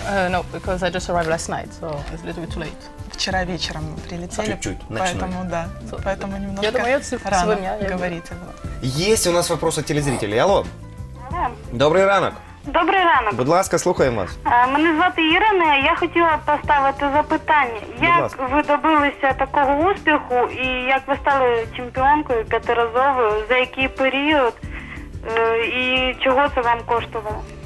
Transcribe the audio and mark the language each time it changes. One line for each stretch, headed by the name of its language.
English: No, because I just arrived last night, so it's a little bit too late.
Russian: Вчера вечером мы прилетели, поэтому немножко я думаю, рано говорить. Есть у нас вопрос от телезрителей. Алло. Да. Добрый ранок.
Ukrainian: Добрий ранок. Будь ласка, слухаємо вас. Мене звати Ірина, я хотіла поставити запитання. Як ви добилися такого успіху і як ви стали чемпіонкою п'ятиразовою, за який період і чого це вам коштувало?